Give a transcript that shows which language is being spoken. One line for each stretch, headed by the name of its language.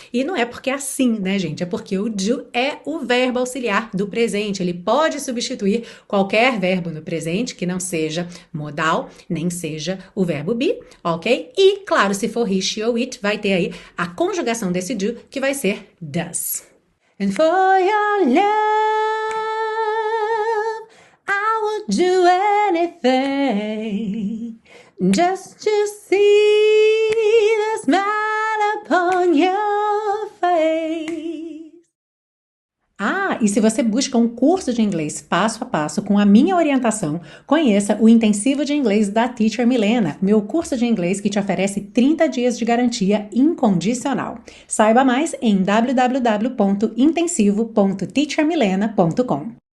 Portuguese: E não é porque é assim, né, gente? É porque o do é o verbo auxiliar do presente, ele pode substituir qualquer verbo no presente que não seja modal, nem seja o verbo be, ok? E, claro, se for he, she ou it, vai ter aí a conjugação desse do, que vai ser does.
English: And for your love, I would do anything just to see the smile upon your face.
Portuguese: Ah, e se você busca um curso de inglês passo a passo com a minha orientação, conheça o Intensivo de Inglês da Teacher Milena, meu curso de inglês que te oferece 30 dias de garantia incondicional. Saiba mais em www.intensivo.teachermilena.com.